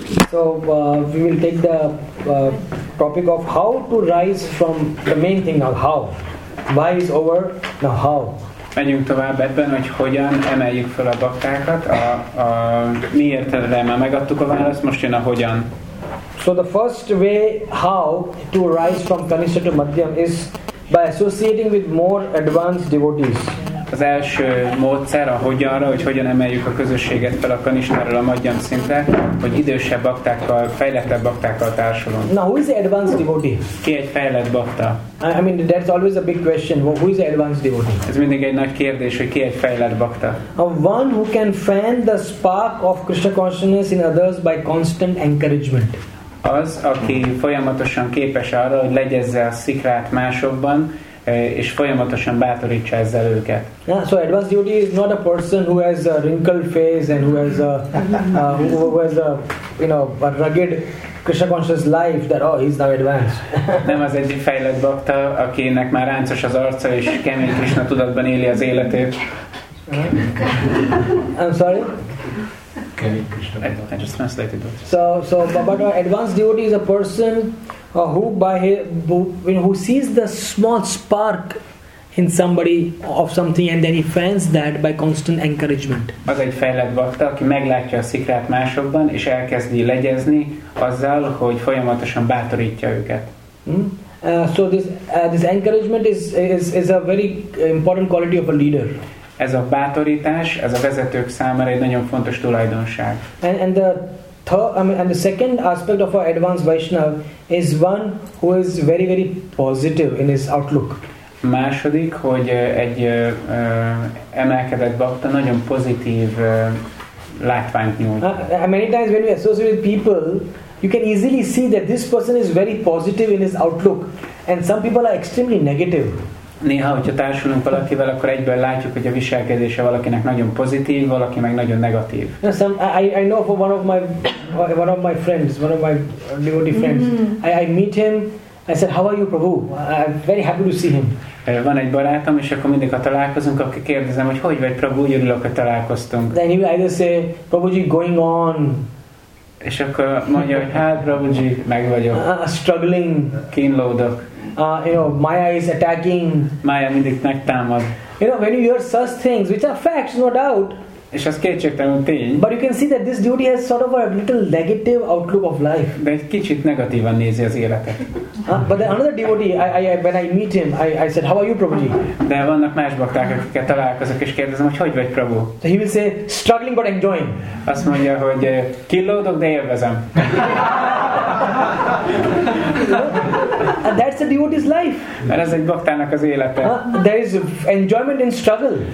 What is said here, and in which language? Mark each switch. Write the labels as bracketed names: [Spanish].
[English] So we will take the topic of how to rise from the main thing of how. Why is over? Now how? [Hungarian] Menjünk tovább ebben, hogy hogyan emeljük fel a baktákat. A miért erre már megadtuk a választ, most jön a hogyan. [English] So the first way how to rise from Kanishtha to Madhyam is by associating with more advanced devotees. [Hungarian] Az első módszer a hogyanra, hogy hogyan emeljük a közösséget fel a Kanishtáról a Madhyam szintre, hogy idősebb baktákkal, fejlettebb baktákkal társulunk. [English] Now who is the advanced devotee? [Hungarian] Ki egy fejlett bakta? [English] I mean that's always a big question. Who is the advanced devotee? [Hungarian] Ez mindig egy nagy kérdés, hogy ki egy fejlett bakta. [English] A one who can fan the spark of Krishna consciousness in others by constant encouragement. [Hungarian] Az, aki folyamatosan képes arra, hogy legyezze a szikrát másokban, és folyamatosan bátorítsa ezzel őket. [English] Yeah, so advanced devotee is not a person who has a wrinkled face and who has a rugged Krishna conscious life that oh he's now advanced. [Hungarian] Nem az egy fejlett bakta, akinek már ráncos az arca és kemény Krishna tudatban éli az életét. [English] I'm sorry. I just translated that. So but advanced devotee is a person who sees the small spark in somebody of something and then he fans that by constant encouragement. [Hungarian] Az egy fejlett bakta, aki meglátja a szikrát másokban és elkezdi legyezni azzal, hogy folyamatosan bátorítja őket. [English] So this encouragement is a very important quality of a leader. [Hungarian] Ez a bátorítás, ez a vezetők számára egy nagyon fontos tulajdonság. [English] And the second aspect of our advanced Vaishnava is one who is very very positive in his outlook. [Hungarian] Második, hogy egy emelkedett bakta nagyon pozitív látványt nyújt. [English] Many times when we associate with people, you can easily see that this person is very positive in his outlook, and some people are extremely negative. [Hungarian] Néha, hogyha társulunk valakivel, akkor egyből látjuk, hogy a viselkedése valakinek nagyon pozitív, valaki meg nagyon negatív. [English] I know for one of my devotee friends. I meet him. I said, how are you, Prabhu? I'm very happy to see him. [Hungarian] Van egy barátom, és akkor mindig, ha találkozunk, akkor kérdezem, hogy hogy vagy, Prabhu, örülök, hogy találkoztunk. [English] Then he will either say, Prabhuji, going on. [Hungarian] És akkor mondja, hogy hát, Prabhuji, meg vagyok. [English] Struggling. [Hungarian] Kínlódok. [English] Maya is attacking. [Hungarian] Maya mindig megtámad. [English] You know, when you hear such things, which are facts, no doubt. [Hungarian] És az kétségtelen tény. [English] But you can see that this duty has sort of a little negative outlook of life. [Hungarian] De egy kicsit negatívan nézi az életet. [English] But then another devotee, when I meet him, I said, how are you, Prabhuji? [Hungarian] De vannak más bakták, akiket találkozok, és kérdezem, hogy hogy vagy, Prabhu? [English] So he will say, struggling but enjoying. [Hungarian] Azt mondja, hogy kilódok, de élvezem. [English] And that's a devotee's life. [Hungarian] Mert ez egy baktának az élete. [English] There is enjoyment in struggle.